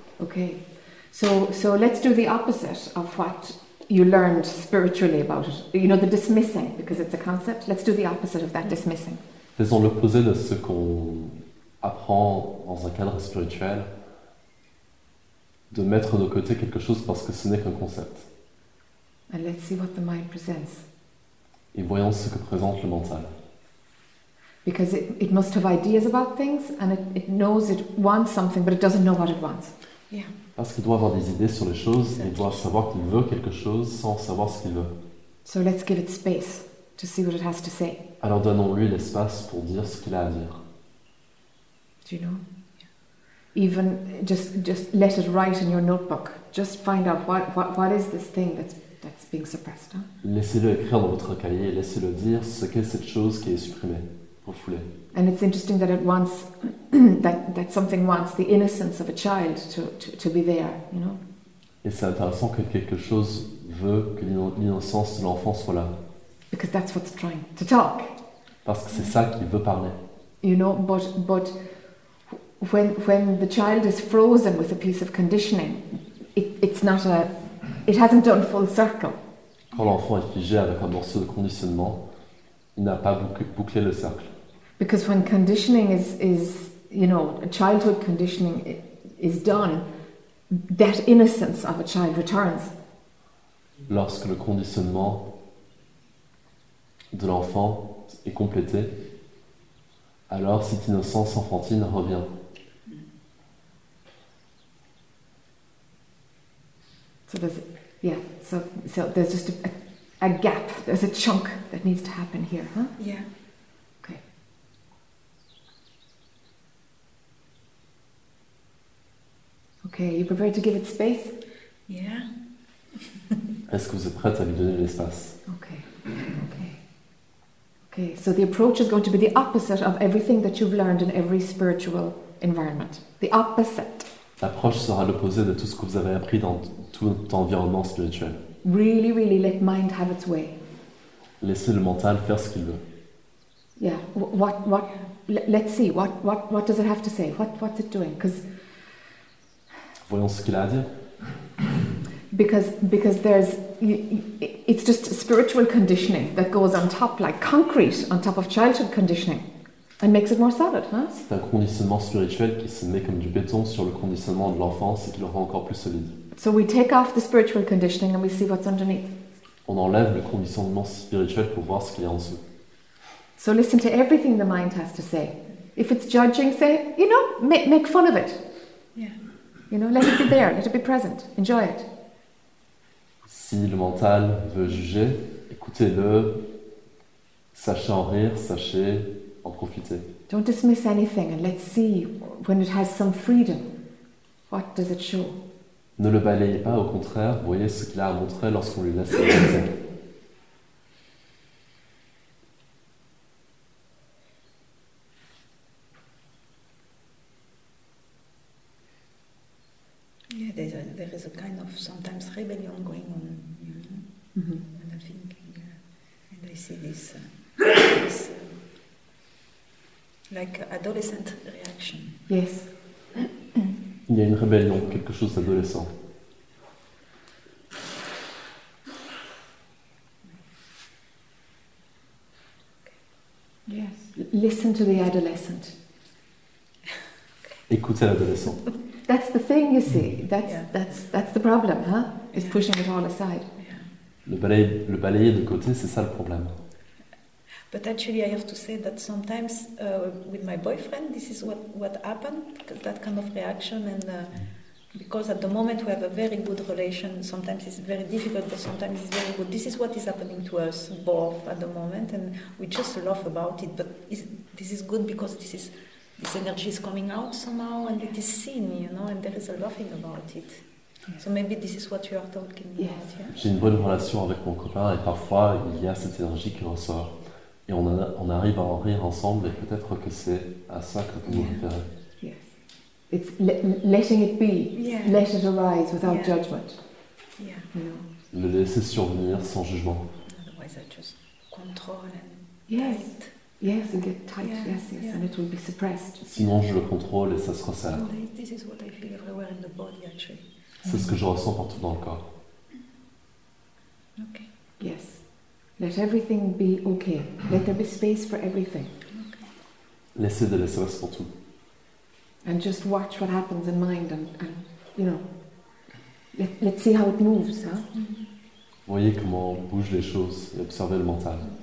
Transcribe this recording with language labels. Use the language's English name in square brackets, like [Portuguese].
[English] Okay. So let's do the opposite of what you learned spiritually about it. You know, the dismissing, because it's a concept. Let's do the opposite of that dismissing. [French] Faisons l'opposé de ce qu'on apprend dans un cadre spirituel, de mettre de côté quelque chose parce que ce n'est qu'un concept. [English] And let's see what the mind presents. [French] Et voyons ce que présente le mental. [English] Because it must have ideas about things, and it knows it wants something, but it doesn't know what it wants. Yeah. [French] Parce qu'il doit avoir des idées sur les choses, et il doit savoir qu'il veut quelque chose sans savoir ce qu'il veut. [English] So let's give it space to see what it has to say. [French] Alors donnons-lui l'espace pour dire ce qu'il a à dire. [English] Do you know? Even just let it write in your notebook. Just find out what is this thing that's being suppressed. Huh? [French] Laissez-le écrire dans votre cahier, laissez-le dire ce qu'est cette chose qui est supprimée, refoulée. [English] And it's interesting that it wants that something wants the innocence of a child to be there, you know. [French] Et c'est intéressant que quelque chose veut que l'innocence de l'enfant soit là. [English] Because that's what's trying to talk. [French] Parce que c'est ça qu'il veut parler. [English] You know, but when the child is frozen with a piece of conditioning, it hasn't done full circle. [French] Quand l'enfant est figé avec un morceau de conditionnement, il n'a pas bouclé le cercle. [English] Because when conditioning is you know, a childhood conditioning is done, that innocence of a child returns. [French] Lorsque le conditionnement de l'enfant est complété, alors cette innocence enfantine revient. [English] So there's just a gap, there's a chunk that needs to happen here, huh? Yeah. Okay, you prepared to give it space? Yeah. [French] Est-ce que vous êtes prête à lui donner l'espace? [English] Okay. So the approach is going to be the opposite of everything that you've learned in every spiritual environment. The opposite. [French] L'approche sera l'opposé de tout ce que vous avez appris dans tout environnement spirituel. [English] Really, really let mind have its way. [French] Laissez le mental faire ce qu'il veut. [English] Yeah. Let's see what does it have to say? What's it doing? Because [French] voyons ce qu'il a à dire. [English] Because there's it's just spiritual conditioning that goes on top like concrete on top of childhood conditioning and makes it more solid, huh? [French] C'est un conditionnement spirituel qui se met comme du béton sur le conditionnement de l'enfance et qui le rend encore plus solide. [English] So we take off the spiritual conditioning and we see what's underneath. [French] On enlève le conditionnement spirituel pour voir ce qu'il y a en dessous. [English] So listen to everything the mind has to say. If it's judging, say, you know, make fun of it. You know, let it be there, let it be present, enjoy it. [French] Si le mental veut juger, écoutez-le, sachez en rire, sachez en profiter. [English] Don't dismiss anything and let's see when it has some freedom. What does it show? [French] Ne le balayez pas, au contraire, voyez ce qu'il a à montrer lorsqu'on lui laisse la liberté. [English] There is a kind of sometimes rebellion going on, you know, mm-hmm. And I think, and I see this, this like adolescent reaction. Yes. [French] Il y a une rébellion, quelque chose d'adolescent. [English] Yes. Listen to the adolescent. [French] Écoutez l'adolescent. [English] That's the thing, you see. That's the problem, huh? It's pushing it all aside. [French] Le balayer de côté, c'est ça le problème. [English] But actually, I have to say that sometimes with my boyfriend, this is what happened. That kind of reaction and Because at the moment we have a very good relation. Sometimes it's very difficult, but sometimes it's very good. This is what is happening to us both at the moment, and we just laugh about it. But this is good because this energy is coming out somehow, and it is seen, you know, and there is a laughing about it. So maybe this is what you are talking about. Yeah. [French] J'ai une bonne relation avec mon copain, et parfois il y a cette énergie qui ressort, et on arrive à en rire ensemble. Et peut-être que c'est à ça que vous vous référez. [English] It's letting it be, let it arise without judgment. Yeah. [French] Le laisser survenir sans jugement. [English] Otherwise, I just control and Yes, and get tight. Yes, and it will be suppressed. [French] Sinon, je le contrôle et ça se resserre. [English] This is what I feel everywhere in the body, actually. [French] C'est ce que je ressens partout dans le corps. [English] Okay. Yes. Let everything be okay. Let there be space for everything. Okay. [French] Laissez de l'espace pour tout. [English] And just watch what happens in mind, and you know, let's see how it moves, huh? [French] Voyez comment bougent les choses et observez le mental.